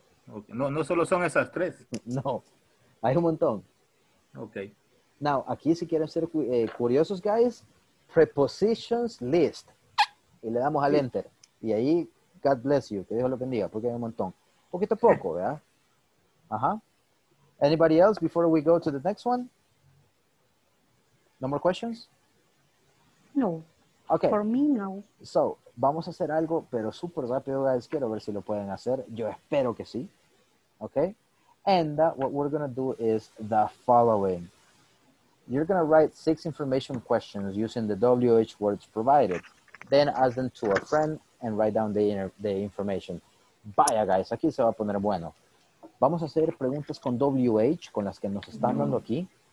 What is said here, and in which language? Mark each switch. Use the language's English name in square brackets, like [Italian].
[Spanish] Okay. No solo son esas tres. No, hay un montón. [English] Okay. [Spanish] Now, aquí si quieren ser curiosos, guys, prepositions list. Y le damos al enter. Y ahí, [English] God bless you. [Spanish] Que Dios lo bendiga, porque hay un montón. Poquito a poco, ¿verdad? Ajá. [English] Anybody else before we go to the next one? No more questions? No. Okay. For me, no. So, [Spanish] vamos a hacer algo, pero súper rápido, guys. Quiero ver si lo pueden hacer. Yo espero que sí. Okay? [English] And what we're going to do is the following. You're going to write 6 information questions using the WH words provided. Then ask them to a friend and write down the information. [Spanish] Vaya, guys, aquí se va a poner bueno. Vamos a hacer preguntas con WH, con las que nos están dando aquí.